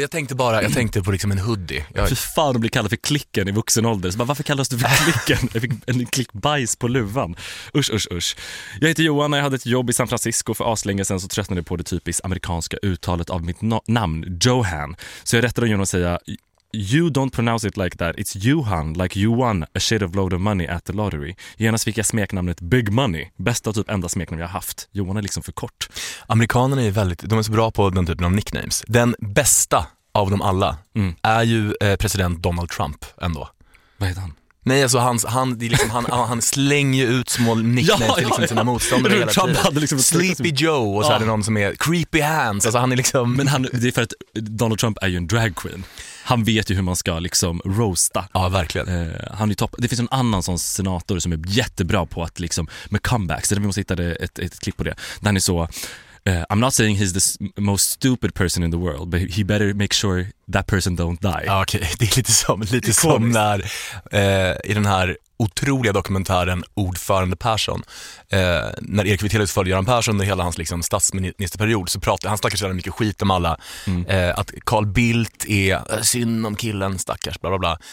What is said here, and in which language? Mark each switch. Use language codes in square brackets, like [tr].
[sv] Jag tänkte på liksom en hoodie. Fy fan, de blir kallade för klicken i vuxen ålder. Så bara, varför kallas du för klicken? Jag fick en klickbajs på luvan. Usch. Jag heter Johan och jag hade ett jobb i San Francisco för aslänge sedan, så tröttnade jag på det typiskt amerikanska uttalet av mitt namn, Johan. Så jag rättade genom att säga... [en] You don't pronounce it like that. It's Johan, like you won a shit of load of money at the lottery. [sv] Genast fick jag smeknamnet Big Money. Bästa typ enda smeknamn jag har haft. Johan är liksom för kort. Amerikanerna är väldigt, de är så bra på den typen av nicknames. Den bästa av dem alla är ju president Donald Trump ändå. Vad heter han? Nej, alltså han, det är liksom, han slänger ju ut små nicknames till liksom sina motståndare hela Trump hade liksom Sleepy Joe och så är det någon som är Creepy Hands. Alltså han är liksom... Men han, det är för att Donald Trump är ju en drag queen. Han vet ju hur man ska liksom roasta. Ja, verkligen. Han är topp. Det finns en annan sån senator som är jättebra på att liksom, med comebacks. Vi måste hitta ett klipp på det. Där han är så... [en] I'm not saying he's the most stupid person in the world, but he better make sure that person don't die. [sv] Ja, okej. Det är lite som när i den här otroliga dokumentären Ordförande Persson. När Erik Vitelius följde Göran Persson under hela hans liksom, statsministerperiod så pratade han stackars mycket skit om alla. Att Carl Bildt är synd om killen, stackars, bla bla bla.